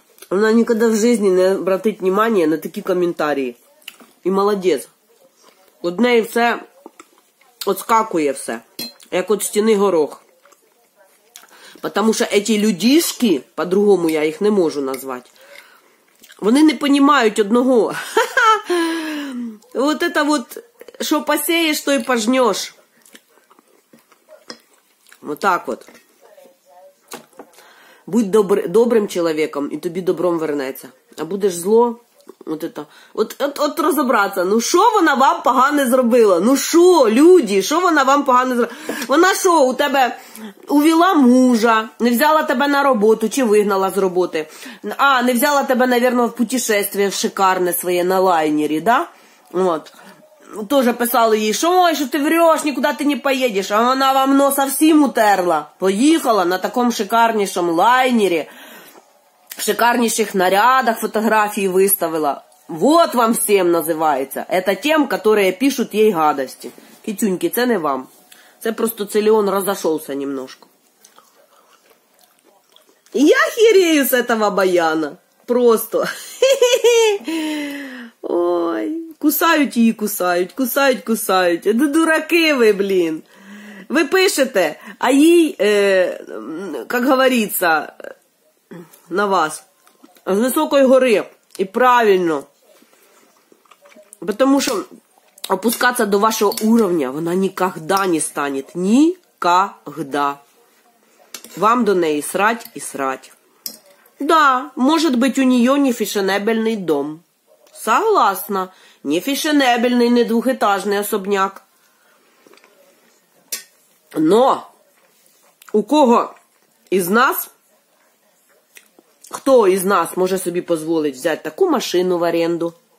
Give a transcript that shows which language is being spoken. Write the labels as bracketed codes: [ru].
[uk] Вона ніколи в житті не [ru] обратить внимания [uk] на такі коментарі. І молодець. От неї все отскакує все, як от стіни горох. Тому що ці людішки, по-другому я їх не можу назвати, вони не розуміють одного. [ru] Вот это вот, что посеешь, то и пожнешь. Вот так вот. Будь добрым человеком, и тебе добром вернется. А будешь зло, вот это. [uk] От [ru] разобраться, ну что [uk] вона вам погано зробила? [ru] Ну что, люди, что [uk] вона вам погано зробила? Вона что, у тебе увела мужа, не взяла тебе на роботу, чи вигнала з роботи? А, не взяла тебе, [ru] наверное, [uk] в путешествие шикарне своє на лайнері, да? Вот. Тоже писали їй, що, ой, що ти врєш, нікуди ти не поїдеш. А вона вам носа всім утерла. Поїхала на такому шикарнішому лайнері, в шикарніших нарядах фотографії виставила. [ru] Вот вам всім називається. Это тем, которые пишут [uk] ей [ru] гадості. [uk] Китюньки, це не вам. Це просто Целіон розійшовся [ru] немножко. [uk] Я хірею з этого баяна. Просто. Ой. Кусають її, кусають, кусають, кусають. Ну, дураки ви, блін. Ви пишете, а їй, як говориться, на вас, з високої гори, і правильно. Тому що опускатися до вашого рівня вона ніколи не стане. Ніколи. Вам до неї срать і срать. Да, може бути у неї не фешенебельний дом. [ru] Согласна. Не фешенебельный, не двухэтажный особняк. Но у кого из нас, кто из нас может себе позволить взять такую машину в аренду?